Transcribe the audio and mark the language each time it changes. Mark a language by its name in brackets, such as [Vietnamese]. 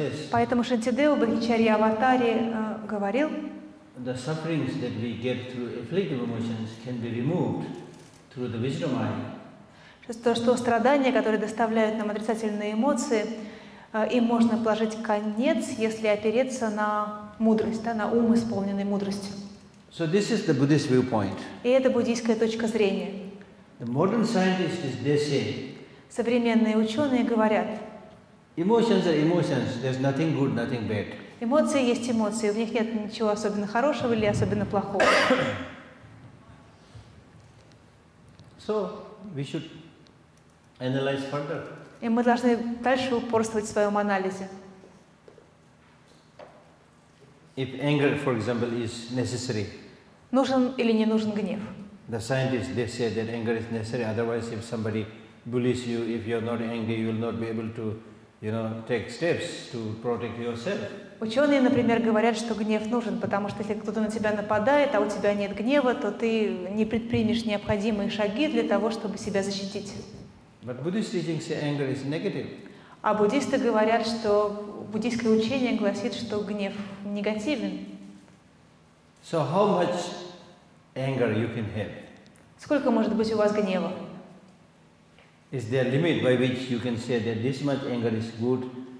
[Russian] Поэтому Шантидева Бхагичарья Аватари говорил, [English] the sufferings that we get through afflictive emotions can be removed through the wisdom mind. [Russian] Что страдания, которые доставляют нам отрицательные эмоции, им можно положить конец, если опереться на мудрость, да, на ум, исполненный мудростью. [English] So this is the Buddhist viewpoint. [Russian] И это буддийская точка зрения. [English] The modern scientists, they say, [Russian] современные ученые говорят, [English] emotions are emotions. There's nothing good, nothing bad. [Russian] Эмоции есть эмоции, в них нет ничего особенно хорошего или особенно плохого. [English] So we should analyze further. [Russian] И мы должны дальше упорствовать в своем анализе. [English] If anger, for example, is necessary. [Russian] Нужен или не нужен гнев? [English] The scientists, they say that anger is necessary. Otherwise, if somebody bullies you, if you're not angry, you will not be able to, you know, take steps to protect yourself. [Russian] Ученые, например, говорят, что гнев нужен, потому что если кто-то на тебя нападает, а у тебя нет гнева, то ты не предпримешь необходимые шаги для того, чтобы себя защитить. [English] But Buddhist teachings say anger is negative. [Russian] А буддисты говорят, что буддийское учение гласит, что гнев негативен. [English] So how much anger you can have? [Russian] Сколько может быть у вас гнева? [English] Is there a limit by which you can say that this much anger is good?